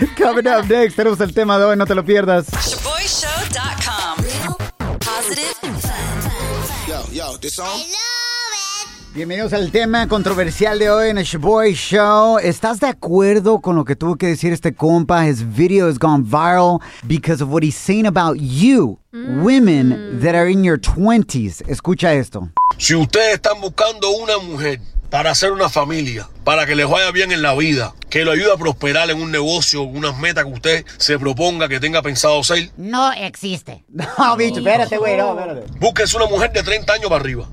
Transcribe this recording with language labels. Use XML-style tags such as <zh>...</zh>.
<es>Coming up next, tenemos el tema de hoy. No te lo pierdas.</es> <en>ShaBoyShow.com. Positive fun. Yo, yo, this song.</en> <es>Bienvenidos al tema controversial de hoy en el ShaBoy Show. ¿Estás de acuerdo con lo que tuvo que decir este compa?</es> <en>His video has gone viral because of what he's saying about you, women that are in your 20s.</en> <es>Escucha esto. Si ustedes están buscando una mujer para hacer una familia, para que les vaya bien en la vida, que lo ayude a prosperar en un negocio, unas metas que usted se proponga, que tenga pensado ser. No existe. No, bicho, espérate, güey, no, espérate. Búsquese una mujer de 30 años para arriba.</es>